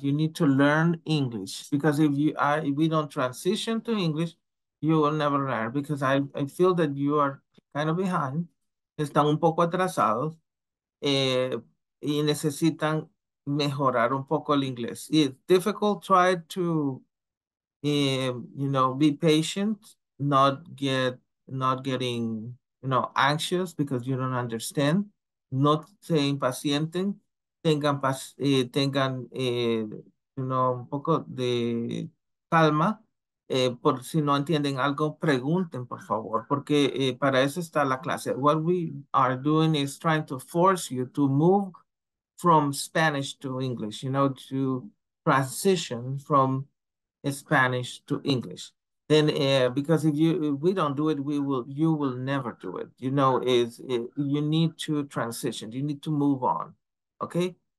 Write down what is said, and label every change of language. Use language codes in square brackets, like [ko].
[en] You need to learn English, because if we don't transition to English, you will never learn, because I feel that you are kind of behind. [es] Están un poco atrasados y necesitan mejorar un poco el inglés. [en] It's difficult, try to, you know, be patient, not getting, you know, anxious because you don't understand. [es] No se impacienten, tengan, [en] you know, [es] un poco de calma. Por si no entienden algo, pregunten, por favor, porque para eso está la clase. [en] What we are doing is trying to force you to move from Spanish to English, you know, to transition from Spanish to English. Then, because if we don't do it, you will never do it. You know, you need to transition. You need to move on. Okay?